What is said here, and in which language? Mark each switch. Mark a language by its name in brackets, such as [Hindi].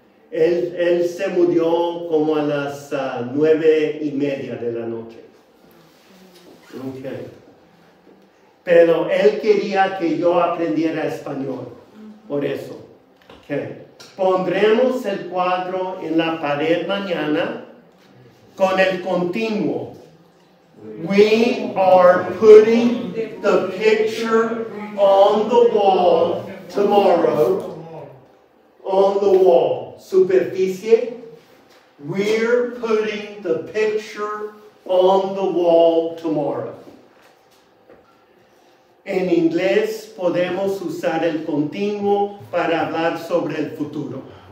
[Spanish] Él se murió como a las 9:30 de la noche. Ok. Pero él quería que yo aprendiera español, por eso. Okay. Pondremos el cuadro en la pared mañana con el continuo. [English] We are putting the picture on the wall tomorrow. On the wall. Superficie. We're putting the picture on the wall tomorrow. [Spanish] En inglés podemos usar el continuo para hablar sobre el futuro.